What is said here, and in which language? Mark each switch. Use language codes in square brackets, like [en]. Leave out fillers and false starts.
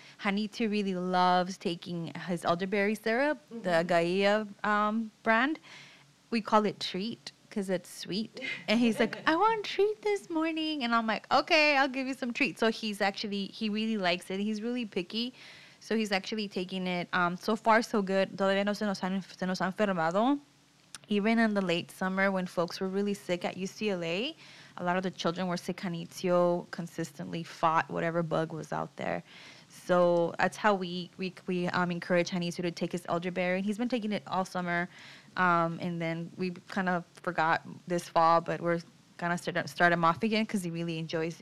[en] Hanito really loves taking his elderberry syrup, mm-hmm, the Gaia brand. We call it treat because it's sweet. And he's like, I want treat this morning. And I'm like, okay, I'll give you some treat. So he really likes it. He's really picky. So he's actually taking it. So far, so good. [es] Todavía no se nos han enfermado. [en] Even in the late summer when folks were really sick at UCLA, a lot of the children were sick. Hanito consistently fought whatever bug was out there. So that's how we encourage Hanito to take his elderberry. He's been taking it all summer, and then we kind of forgot this fall, but we're going to start him off again because he really enjoys.